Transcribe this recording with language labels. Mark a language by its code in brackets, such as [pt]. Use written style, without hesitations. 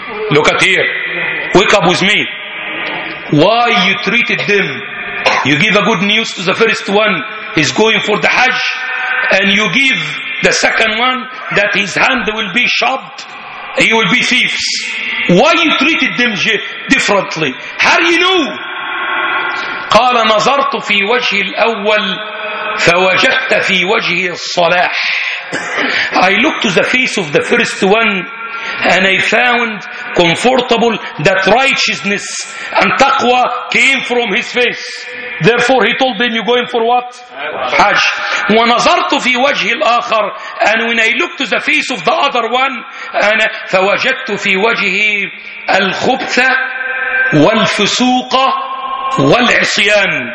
[en] Look at here, wake up with me. Why you treated them? You give a good news to the first one, he's going for the Hajj, and you give the second one that his hand will be shoved, he will be thieves. Why you treated them differently? How do you know? [ar] قال نظرت في وجه الأول فوجدت في وجه الصلاح. [en] I looked to the face of the first one and I found comfortable that righteousness and taqwa came from his face. Therefore he told them, you're going for what? [ar] Hajj. وَنَظَرْتُ فِي وَجْهِ الْآخَرِ. [en] And when I looked to the face of the other one, [ar] أنا فَوَجَدْتُ فِي وَجْهِ الْخُبْثَ وَالْفُسُوقَ وَالْعِصِيَانِ.